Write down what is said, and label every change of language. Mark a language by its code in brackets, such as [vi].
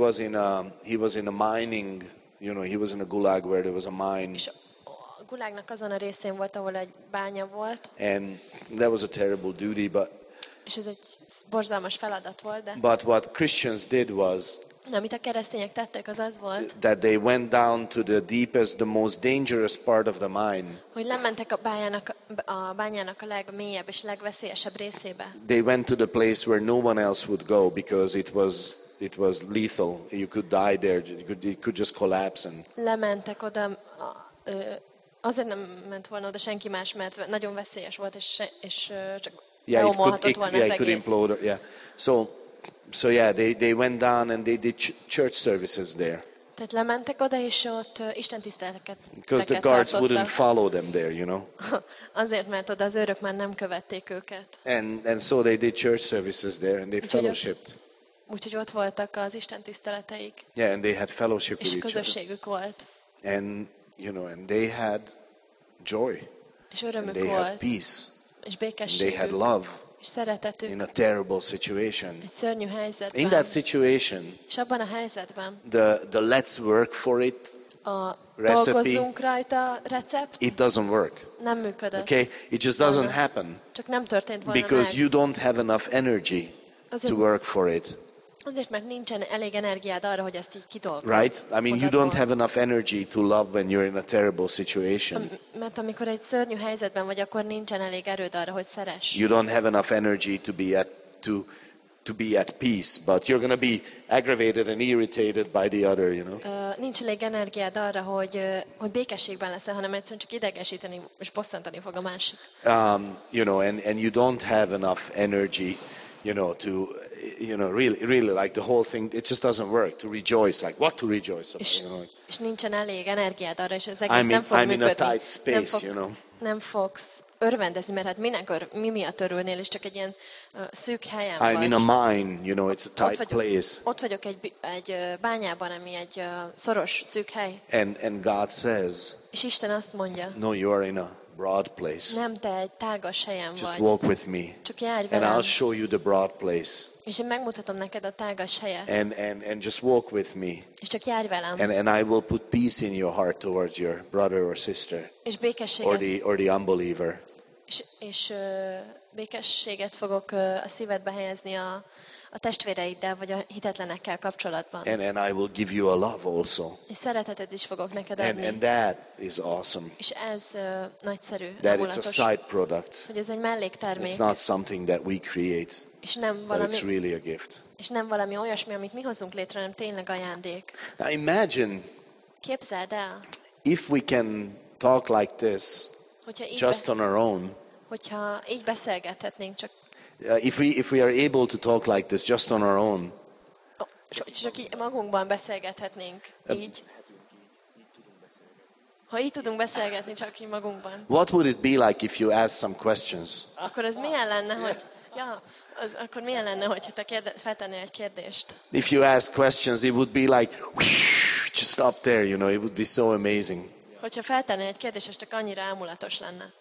[en] He was in a gulag where there was a mine. [hu] És a gulágnak azon a részén volt, ahol egy bánya volt. [en] And that was a terrible duty, but. [hu] És ez egy borzalmas feladat volt, de. [en] But what Christians did was. [hu] Amit a keresztények tettek, az az volt. [en] That they went down to the deepest, the most dangerous part of the mine. [hu] Hogy lementek a bányának a legmélyebb és legveszélyesebb részébe. [en] They went to the place where no one else would go because it was lethal. You could die there. It could just collapse and. [hu] Lementek oda. Azért nem ment volna oda senki más, mert nagyon veszélyes volt és csak. [en] Yeah, it could implode. Yeah, so yeah, they went down and they did church services there. [hu] Tehát lementek oda és ott Isten tiszteleteket. [en] Because the guards wouldn't follow them there, you know. [hu] Azért, mert oda az őrök már nem követték őket. [en] And so they did church services there and they fellowshipped. [hu] Úgyhogy ott voltak az Isten tiszteleteik. [en] Yeah, and they had fellowship with each other. [hu] És közösségük volt. [en] And you know, and they had joy. [hu] És örömük volt. [en] They had peace. [hu] És békességük. [en] They had love. [hu] És szeretetük. [en] In a terrible situation. [hu] Egy szörnyű helyzetben. [en] In that situation. [hu] És abban a helyzetben. [en] The let's work for it. [hu] A dolgozzunk rajta recept. [en] It doesn't work. [hu] Nem működött. [en] Okay, it just doesn't happen. [hu] Csak nem történt volna. [en] Because [hu] meg. [en] You don't have enough energy [hu] azért, [en] to work for it. [hu] Azért, mert nincsen elég energiád arra, hogy ezt így kidolgozz. [en] Right? I mean, you don't have enough energy to love when you're in a terrible situation. [hu] Mert amikor egy szörnyű helyzetben vagy, akkor nincsen elég erőd arra, hogy szeress. [en] You don't have enough energy to be at peace, but you're going to be aggravated and irritated by the other, you know. [hu] Nincs elég energiád arra, hogy békességben leszel, hanem egyszerűen csak idegesíteni és bosszantani fog a másik. [en] You know, and you don't have enough energy, you know, to, you know, really like the whole thing, it just doesn't work to rejoice, like what to rejoice about, you know. [hu] És nincsen elég energiád arra, és ez egész nem fog működni. [en] I'm in a tight space, you know. [hu] Nem fogsz örvendezni, mert hát mi miatt örülnél, és csak egy ilyen szűk helyen vagy. [en] I'm in a mine, you know, it's a tight place. [hu] Ott vagyok egy bányában, ami egy szoros, szűk hely. [en] And God says, [hu] és Isten azt mondja, [en] no, you are in a broad place. [hu] Nem, te egy tágas helyen [en] just [hu] vagy. [en] Walk with me. [hu] Csak járj velem. [en] And I'll show you the broad place. [hu] És én megmutatom neked a tágas helyet. [en] And just walk with me. [hu] És csak járj velem. [en] And I will put peace in your heart towards your brother or sister. [hu] És békességet. [en] Or the unbeliever. [hu] És békességet fogok a szívedbe helyezni a testvéreiddel vagy a hitetlenekkel kapcsolatban. [en] And I will give you a love also. [hu] És szeretetet is fogok neked adni. [en] And that is awesome. [hu] És ez nagyszerű. [en] That it's a side product. [hu] Hogy ez egy melléktermék. [en] It's not something that we create. [hu] És nem valami, [en] but it's really a gift. [hu] És nem valami olyasmi, amit mi hozunk létre, hanem tényleg ajándék. [en] Now imagine. [hu] Képzeld el. [en] If we can talk like this, just on our own. [hu] Hogyha így beszélgethetnénk csak. [en] If we are able to talk like this just on our own. [hu] Csak így magunkban beszélgethetnénk így. Ha így tudunk beszélgetni csak így magunkban. [en] What would it be like if you ask some questions? [hu] Akkor ez milyen lenne, hogy ja, az akkor milyen lenne, hogyha te feltennél egy kérdést? [en] If you ask questions, it would be like just stop there, you know, it would be so amazing. [hu] Hogyha feltennél egy kérdést, ez csak annyira álmulatos lenne.